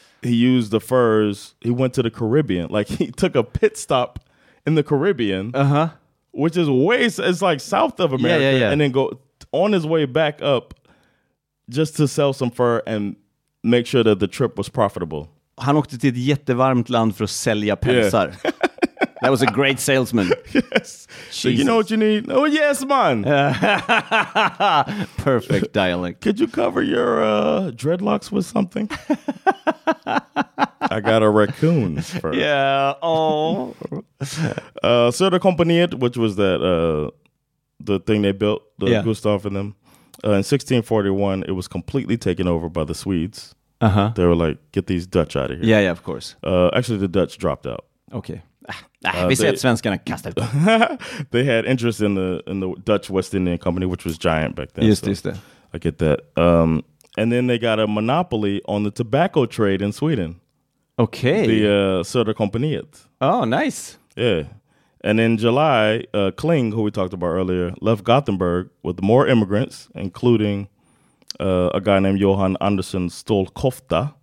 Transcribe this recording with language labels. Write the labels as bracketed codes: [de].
[en] He used the furs. He went to the Caribbean. Like, he took a pit stop in the Caribbean. Uh-huh. Which is it's like south of America. Yeah. And then go on his way back up just to sell some fur and make sure that the trip was profitable. [sv] Han åkte till ett jättevarmt land för att sälja pälsar. [en] Yeah. That was a great salesman. Yes. Jesus. So you know what you need? Oh, yes, man. Perfect dialect. Could you cover your dreadlocks with something? I got a raccoon. Yeah. Oh. Söder Kompaniet, which was that the thing they built, Gustav and them. In 1641, it was completely taken over by the Swedes. Uh-huh. They were like, get these Dutch out of here. Yeah, of course. Actually, the Dutch dropped out. Okay. [sv] Vi säger att svenskarna kastade ut. [en] They had interest in the Dutch West Indian Company, which was giant back then. [sv] Just det. [en] I get that. And then they got a monopoly on the tobacco trade in Sweden. Okay. The Söder Kompaniet. Oh, nice. Yeah. And in July, Kling, who we talked about earlier, left Gothenburg with more immigrants, including a guy named Johan Andersson Stolkofta.